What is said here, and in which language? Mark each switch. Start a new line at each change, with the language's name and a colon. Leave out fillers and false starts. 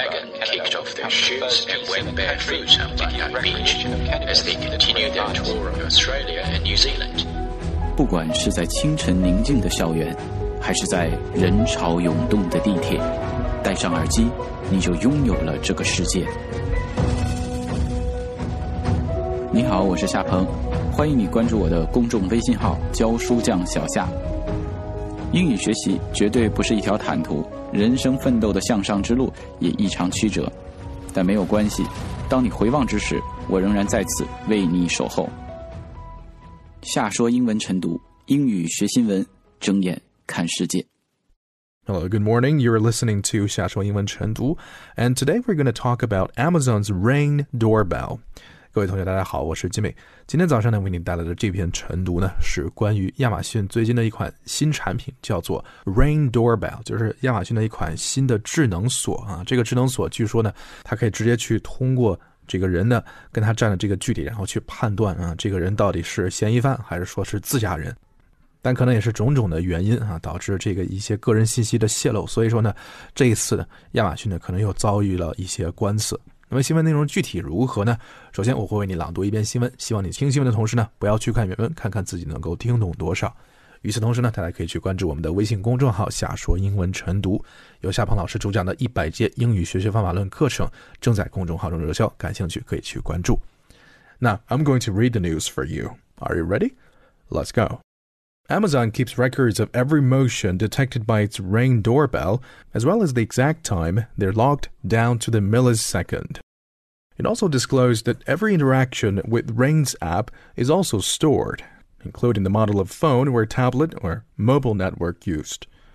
English: Meghan kicked off their shoots and went barefoot on Bondi Beach as they continued their tour of Australia and New Zealand.
Chinese: 不管是在清晨宁静的校园，还是在人潮涌动的地铁，戴上耳机，你就拥有了这个世界。你好，我是夏鹏，欢迎你关注我的公众微信号教书匠小夏。英语学习绝对不是一条坦途，人生奋斗的向上之路也异常曲折，但没有关系，当你回望之时，我仍然在此为你守候。夏说英文晨读，英语学新闻，睁眼看世界。
English: Hello, good morning. You're listening to 夏说英文晨读, and today we're going to talk about Amazon's Ring doorbell.
Chinese: 各位同学大家好，我是金美。今天早上呢，为你带来的这篇晨读呢，是关于亚马逊最近的一款新产品，叫做 Ring Doorbell， 就是亚马逊的一款新的智能锁啊。这个智能锁据说呢，它可以直接去通过这个人呢跟他站的这个距离，然后去判断啊，这个人到底是嫌疑犯还是说是自家人。但可能也是种种的原因啊，导致这个一些个人信息的泄露，所以说呢，这一次呢，亚马逊呢可能又遭遇了一些官司。那么新闻内容具体如何呢？首先我会为你朗读一遍新闻，希望你听新闻的同时呢，不要去看原文，看看自己能够听懂多少。与此同时呢，大家可以去关注我们的微信公众号夏说英文晨读，由夏鹏老师主讲的100节英语学习方法论课程正在公众号中热销，感兴趣可以去关注。
English: 那 I'm going to read the news for you. Are you ready? Let's go. Amazon keeps records of every motion detected by its Ring doorbell, as well as the exact time they're locked down to the millisecond. It also disclosed that every interaction with Ring's app is also stored, including the model of phone or tablet or mobile network used.